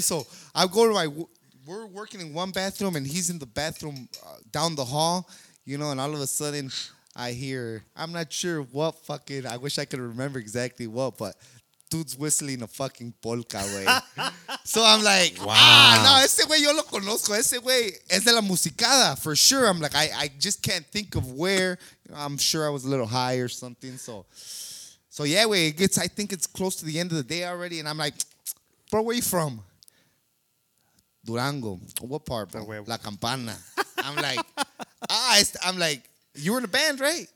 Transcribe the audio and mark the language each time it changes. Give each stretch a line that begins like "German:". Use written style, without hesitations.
English: So I go to we're working in one bathroom and he's in the bathroom down the hall, you know, and all of a sudden I hear, I'm not sure what fucking, I wish I could remember exactly what, but dude's whistling a fucking polka, güey. So I'm like, wow.
Spanish: Ese güey yo lo conozco. Ese güey es de la musicada,
English: for sure. I'm like, I just can't think of where. I'm sure I was a little high or something. So yeah, wait, I think it's close to the end of the day already. And I'm like, bro, where you from? Durango. What part, bro? La Campana. I'm like, I'm like, you were in a band, right?